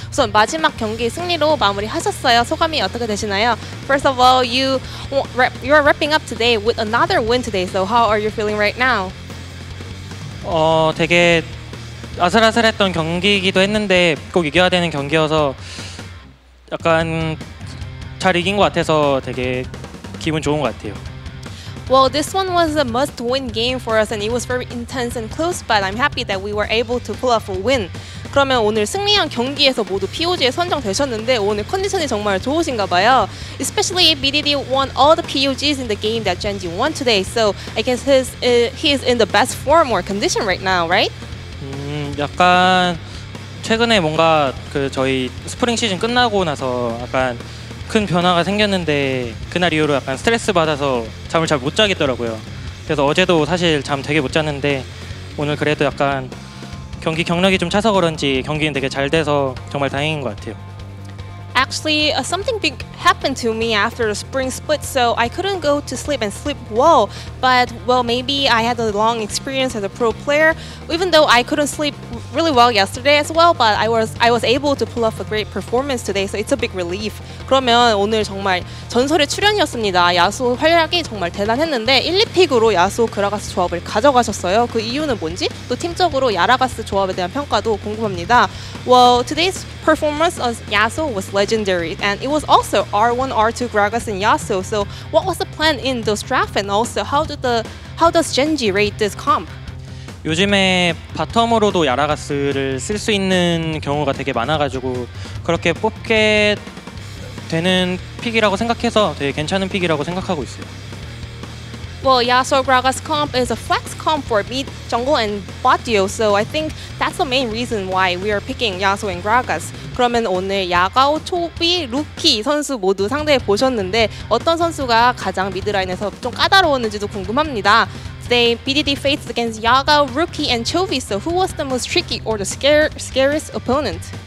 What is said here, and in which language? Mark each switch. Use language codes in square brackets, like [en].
[ko] 우선 마지막 경기 승리로 마무리 하셨어요. 소감이 어떻게 되시나요? [en] First of all, you are wrapping up today with another win today. So how are you feeling right now? [ko] 되게 아슬아슬했던 경기이기도 했는데 꼭 이겨야 되는 경기여서 약간 잘 이긴 것 같아서 되게 기분 좋은 것 같아요. [en] Well, this one was a must-win game for us, and it was very intense and close, but I'm happy that we were able to pull off a win. [ko] 그러면 오늘 승리한 경기에서 모두 POG에 선정되셨는데 오늘 컨디션이 정말 좋으신가 봐요. [en] Especially BDD won all the POGs in the game that Genji won today, so I guess he is in the best form or condition right now, right? [ko] 약간 최근에 뭔가 그 저희 스프링 시즌 끝나고 나서 약간 큰 변화가 생겼는데 그날 이후로 약간 스트레스 받아서 잠을 잘 못 자겠더라고요. 그래서 어제도 사실 잠 되게 못 잤는데 오늘 그래도 약간 경기 경력이 좀 차서 그런지 경기는 되게 잘 돼서 정말 다행인 것 같아요. [en] Actually, something big happened to me after the spring split, so I couldn't go to sleep and sleep well. But, well, maybe I had a long experience as a pro player, even though I couldn't sleep really well yesterday as well, but I was able to pull off a great performance today, so it's a big relief. [ko] 그러면 오늘 정말 전설의 출연이었습니다. 야수 활약이 정말 대단했는데 1, 2픽으로 야수 그라가스 조합을 가져가셨어요. 그 이유는 뭔지? 또 팀적으로 야라가스 조합에 대한 평가도 궁금합니다. [en] Well, today's performance of Yasuo was legendary, and it was also R1, R2, Gragas, and Yasuo. So, what was the plan in those drafts, and also how does Genji rate this comp? [ko] 요즘에 바텀으로도 야라가스를 쓸 수 있는 경우가 되게 많아가지고 그렇게 뽑게 되는 픽이라고 생각해서 되게 괜찮은 픽이라고 생각하고 있어요. [en] Well, Yasuo Gragas comp is a flex comp for mid, jungle, and bot duo, so I think that's the main reason why we are picking Yasuo and Gragas. [ko] 그러면 오늘 야가오, 초비, 루키 선수 모두 상대해 보셨는데 어떤 선수가 가장 미드라인에서 좀 까다로웠는지도 궁금합니다. [en] Today, BDD faced against Yagao, Rookie, and Chovy, so who was the most tricky or the scariest opponent?